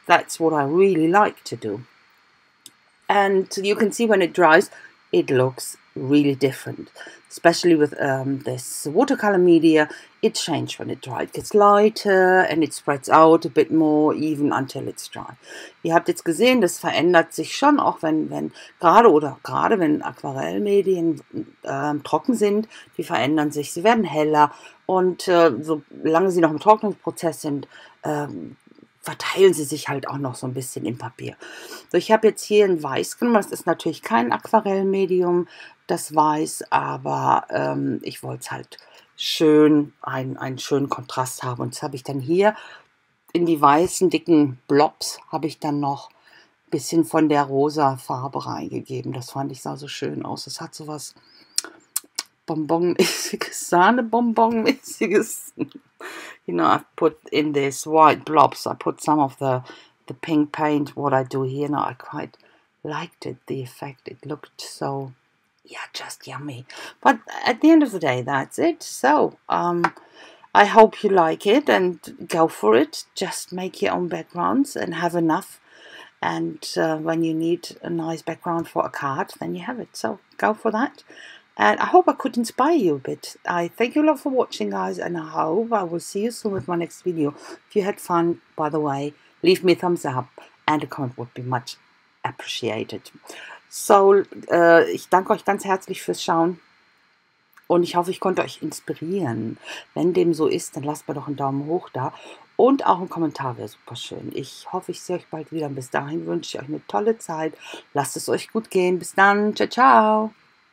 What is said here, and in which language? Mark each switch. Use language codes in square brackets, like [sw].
[en] That's what I really like to do. And you can see when it dries, it looks really different. Especially with this watercolor media, it changed when it dried. It gets lighter and it spreads out a bit more, even until it's dry. [de] Ihr habt jetzt gesehen, das verändert sich schon, auch wenn Aquarellmedien trocken sind, die verändern sich, sie werden heller. Und solange sie noch im Trocknungsprozess sind, verteilen sie sich halt auch noch so ein bisschen im Papier. So, ich habe jetzt hier ein Weiß genommen, das ist natürlich kein Aquarellmedium, das Weiß, aber ich wollte es halt schön, einen schönen Kontrast haben. Und das habe ich dann hier in die weißen, dicken Blobs, habe ich dann noch ein bisschen von der rosa Farbe reingegeben. Das fand ich, sah so schön aus. Das hat so was Bonbon-mäßiges, Sahne-Bonbon-mäßiges. [en] You know, I've put in this white blobs, I put some of the pink paint, what I do here. Now, I quite liked it, the effect. It looked so, yeah, just yummy. But at the end of the day, that's it. So, I hope you like it and go for it. Just make your own backgrounds and have enough. And when you need a nice background for a card, then you have it. So, go for that. And I hope I could inspire you a bit. I thank you a lot for watching, guys, and I hope I will see you soon with my next video. If you had fun, by the way, leave me a thumbs up and a comment would be much appreciated. [de] So, ich danke euch ganz herzlich fürs Schauen und ich hoffe, ich konnte euch inspirieren. Wenn dem so ist, dann lasst mir doch einen Daumen hoch da und auch ein Kommentar wäre super schön. Ich hoffe, ich sehe euch bald wieder. Bis dahin wünsche ich euch eine tolle Zeit. Lasst es euch gut gehen. Bis dann. Ciao, ciao.